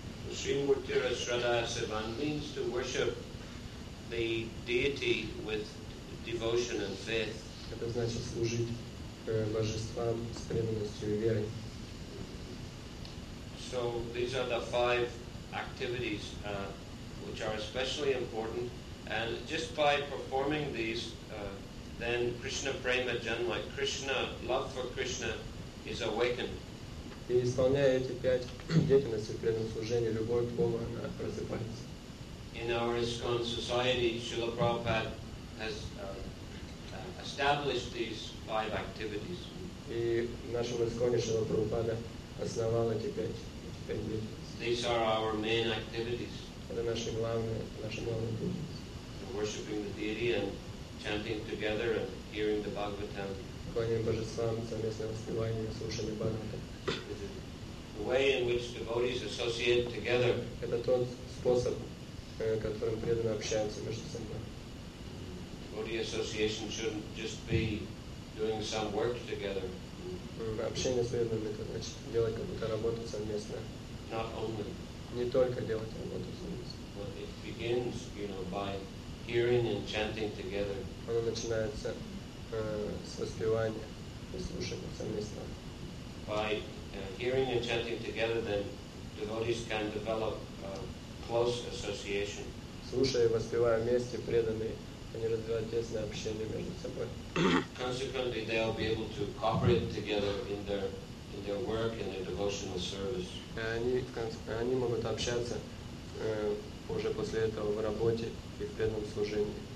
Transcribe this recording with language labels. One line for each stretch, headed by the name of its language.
English: Srimurtira Shraddha Sevan means to worship the deity with devotion and faith.
Russian: Это значит служить божествам с преданностью и верой.
English: So these are the five activities which are especially important, and just by performing these, then Krishna Prema Janma, Krishna, love for Krishna is awakened.
Russian: И исполняя эти пять деятельностей в преданном служении, любовь к Богу, она просыпается.
English: In our ISKCON society, Srila Prabhupada has established these five activities.
Russian: И в нашем ISKCON Srila Prabhupada основал эти пять деятельностей.
English: These are our main activities.
Russian: Это наши главные деятельности.
English: Worshipping the deity and chanting together and hearing the Bhagavatam.
Russian: Поклонение божествам, совместное воспевание, слушание Бхагавата.
English: The way in which devotees associate together.
Russian: Это тот способ, которым преданные общаются между собой.
English: Devotee association shouldn't just be doing some work together.
Russian: общение с верными, это значит делать какую-то работу совместно.
English: Not only.
Russian: Не только делать работу совместно.
English: But it begins, you know, by hearing and chanting together.
Russian: Оно начинается с воспевания и слушания совместно.
English: By hearing and chanting together, then devotees can develop close association.
Russian: Слушая и воспевая вместе, преданные, они развивают тесное общение между собой.
English: Consequently, they'll be able to cooperate together in their work and their devotional service.
Russian: Они могут общаться уже после этого в работе и в преданном служении.